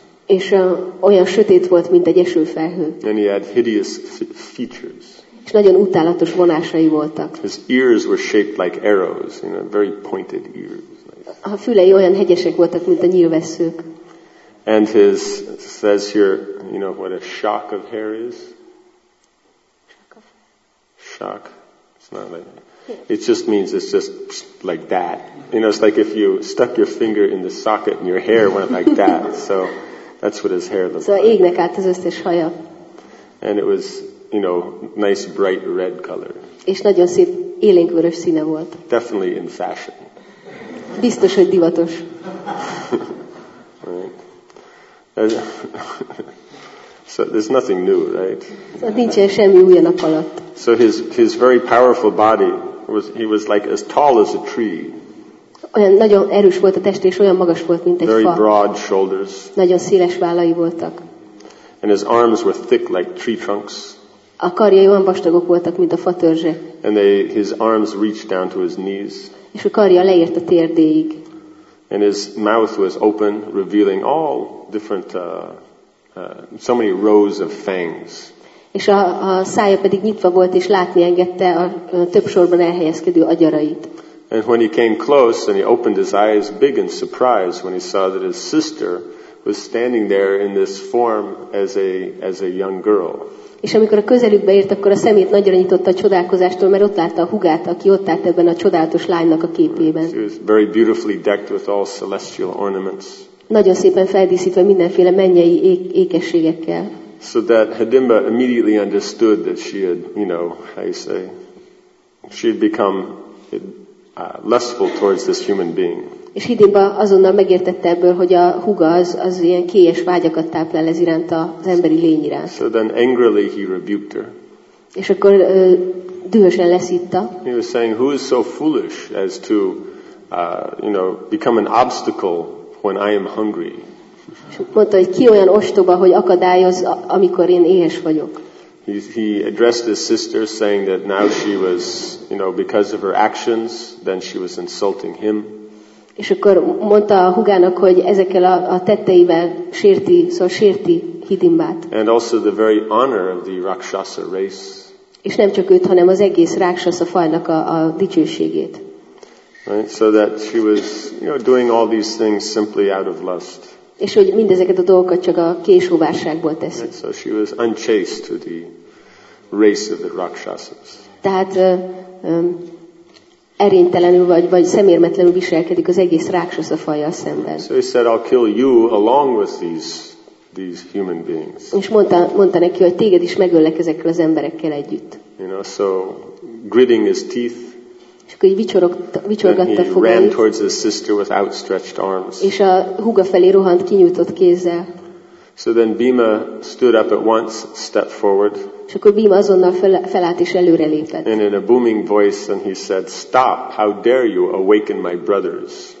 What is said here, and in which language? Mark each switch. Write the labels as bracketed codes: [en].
[hu] És olyan sötét volt, mint egy esőfelhő. [en] And he had hideous features. [hu] És nagyon utálatos vonásai voltak. [en] His ears were shaped like arrows, you know, very pointed ears. [hu] A fülei olyan hegyesek voltak, mint a nyílvesszők. [en] And his says here, you know what a shock of hair is? Shock. It's not like that. It just means it's just like that. You know, it's like if you stuck your finger in the socket and your hair went like that. So that's what his hair looked so like. [hu] Égnek át az összes haja. [en] And it was, you know, nice bright red color. [hu] És nagyon szép élénkvörös színe volt. [en] Definitely in fashion. [hu] Biztos, hogy divatos. [en] So there's nothing new, right? [hu] Szóval nincsen semmi új a nap alatt. [en] So his very powerful body he was like as tall as a tree. [hu] Olyan nagyon erős volt a test, és olyan magas volt, mint egy [en] very [hu] fa. [en] Very broad shoulders. [hu] Nagyon széles vállai voltak. [en] And his arms were thick like tree trunks. [hu] A karjai olyan vastagok voltak, mint a fatörzse. [en] And his arms reached down to his knees. [hu] És a karja leért a térdéig. [en] And his mouth was open, revealing all different so many rows of fangs. [hu] És a szája pedig nyitva volt, és látni engedte a több sorban elhelyezkedő agyarait. [en] And when he came close and he opened his eyes big in surprise when he saw that his sister was standing there in this form as a young girl. [hu] És amikor a közelükbe ért, akkor a szemét nagyra nyitotta a csodálkozástól, mert ott látta a húgát, aki ott állt ebben a csodálatos lánynak a képében. [en] She was very beautifully decked with all celestial ornaments. [hu] Nagyon szépen feldíszítve mindenféle mennyei ékességekkel. [en] So that Hedimba immediately understood that she had, you know, how you say, she had become lustful towards this human being. [hu] És Hedimba azonnal megértette ebből, hogy a húga az ilyen kélyes vágyakat táplál ez iránt az emberi lény iránt. [en] So then angrily he rebuked her. [hu] És akkor dühösen leszitta. [en] He was saying, who is so foolish as to, you know, become an obstacle when I am hungry. [hu] Mondta, hogy ki olyan ostoba, hogy akadályoz, amikor én éhes vagyok. [en] He addressed his sister, saying that now she was, you know, because of her actions, then she was insulting him. [hu] És akkor mondta a húgának, hogy ezekkel a tetteivel sérti, szóval sérti Hidimbát. [en] And also the very honor of the Rakshasa race. [hu] És nem csak őt, hanem az egész Rakshasa fajnak a dicsőségét. [en] Right? So that she was, you know, doing all these things simply out of lust. [hu] És hogy mindezeket a dolgokat csak a késhúvásságból teszi. [en] And so she was unchaste to the race of the Rakshasas. [hu] Tehát erénytelenül vagy szemérmetlenül viselkedik az egész Rakshasa fajjal szemben. [en] So he said, I'll kill you along with these human beings. [hu] És mondta neki, hogy téged is megöllek ezekkel az emberekkel együtt. [en] You know, so gritting his teeth. [hu] És akkor így vicsorgatta fogait. [en] Then he ran towards his sister with outstretched arms. [hu] És a húga felé rohant kinyújtott kézzel. [en] So then Bhima stood up at once, stepped forward. [hu] És akkor Bhima azonnal felállt és előre lépett. [en] And in a booming voice, and he said, stop, how dare you awaken my brothers.